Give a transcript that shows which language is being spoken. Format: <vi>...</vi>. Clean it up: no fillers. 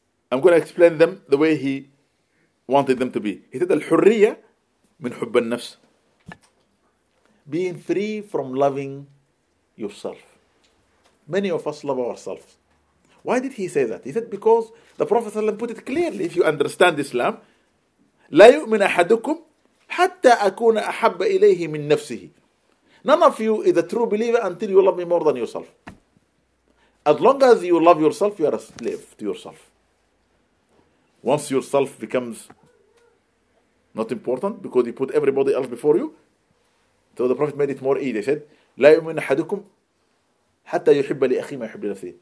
<en>I'm going to explain them the way he wanted them to be. He said</en> <ar>الحرية من حب النفس,</ar> <en>being free from loving yourself. Many of us love ourselves. Why did he say that? He said because the Prophet ﷺ put it clearly. If you understand Islam,</en> <ar>لا يؤمن أحدكم حتى أكون أحب إليه من نفسه.</ar> <en>None of you is a true believer until you love me more than yourself. As long as you love yourself, you are a slave to yourself. Once yourself becomes not important because you put everybody else before you, so the Prophet made it more easy. He said</en> <ar>لا يؤمن أحدكم حتى يحب لأخي ما يحب لنفسه.</ar>